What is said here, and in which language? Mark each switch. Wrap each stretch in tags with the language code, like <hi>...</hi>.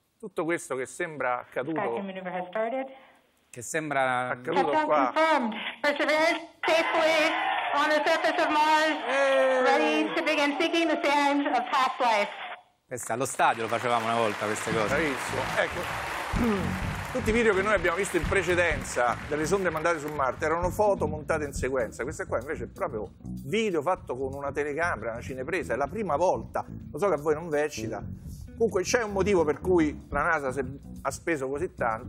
<it>Tutto questo che sembra accaduto... Che sembra accaduto qua.</it> <en>Perseverance safely on the surface of Mars, ready to begin seeking the sands of past life.</en> <it>Questo allo stadio lo facevamo una volta queste cose. Bravissimo. Ecco. Tutti i video che noi abbiamo visto in precedenza delle sonde mandate su Marte erano foto montate in sequenza. Questa qua invece è proprio video fatto con una telecamera, una cinepresa. È la prima volta. Lo so che a voi non eccita. Comunque c'è un motivo per cui la NASA ha speso così tanto.</it>